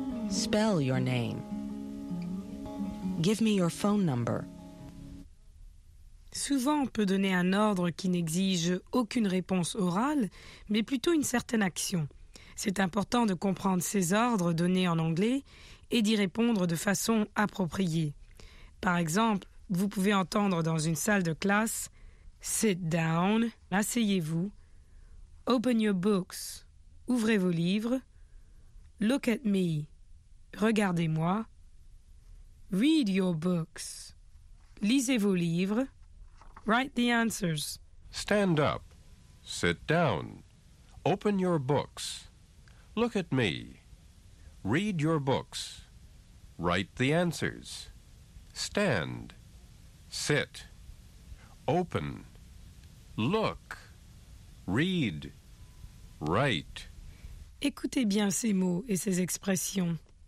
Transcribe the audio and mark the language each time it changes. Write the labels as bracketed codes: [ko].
[en] Spell your name. Give me your phone number. [fr] Souvent, on peut donner un ordre qui n'exige aucune réponse orale, mais plutôt une certaine action. C'est important de comprendre ces ordres donnés en anglais et d'y répondre de façon appropriée. Par exemple, vous pouvez entendre dans une salle de classe « [en] Sit down [fr] », « Asseyez-vous », « [en] Open your books [fr] », « Ouvrez vos livres », « [en] Look at me [fr] », « Regardez-moi », « [en] Read your books [fr] », « Lisez vos livres », « [en] Write the answers ». Stand up, sit down, open your books, look at me, read your books, write the answers, stand, sit, open, look, read, write. [fr] Écoutez bien ces mots et ces expressions.